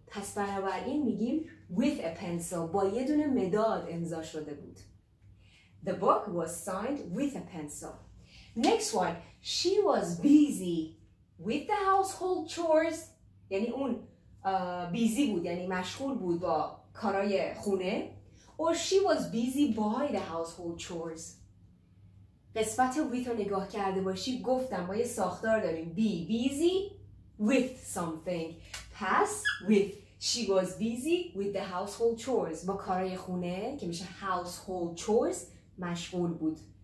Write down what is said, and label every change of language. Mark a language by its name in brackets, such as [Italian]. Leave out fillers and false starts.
[Persian] پس بنابراین میگیم [English] with a pencil. [Persian] با یه دونه مداد امضا شده بود. [English] The book was signed with a pencil. Next one. She was busy with the household chores. [Persian] یعنی اون بیزی بود. یعنی مشغول بود با کارای خونه. [English] Or she was busy by the household chores. [Persian] قسمت with رو نگاه کرده باشی گفتم ما یه ساختار داریم. [English] Be busy with something. پس with. She was busy with the household chores. [Persian] با کارای خونه که میشه household chores مشغول بود.